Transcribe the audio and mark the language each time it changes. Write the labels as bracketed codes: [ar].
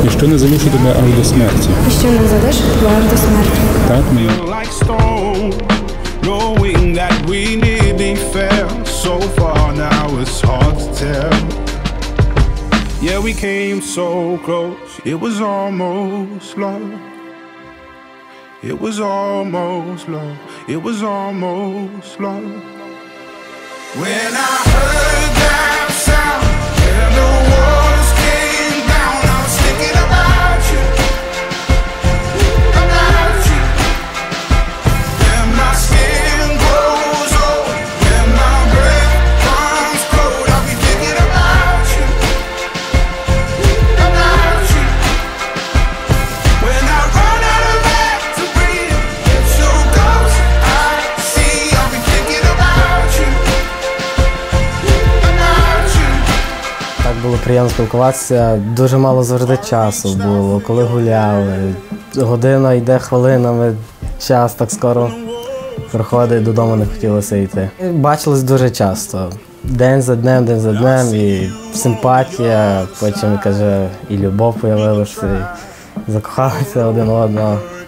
[uk] І що не залишу тебе аж до смерті. І що не залишу тебе аж до смерті. Так, моя. [en] Like stone, knowing that we nearly fell. So far now it's hard to tell. Yeah, we came so close, it was almost love. It was almost love, it was almost love. When I heard that sound, when the walls came down, I was thinking about you, about you. When my skin grows old, when my breath comes cold, I'll be thinking about you, about you. When I run out of air to breathe, it's your ghost I see, I'll be thinking about you, about you. [uk] Так було приємно спілкуватися, дуже мало завжди часу було, коли гуляли. Година йде хвилинами, час так скоро проходить, додому не хотілося йти. Бачились дуже часто, день за днем, і симпатія, потім, каже, і любов появилася, і закохалися один одного.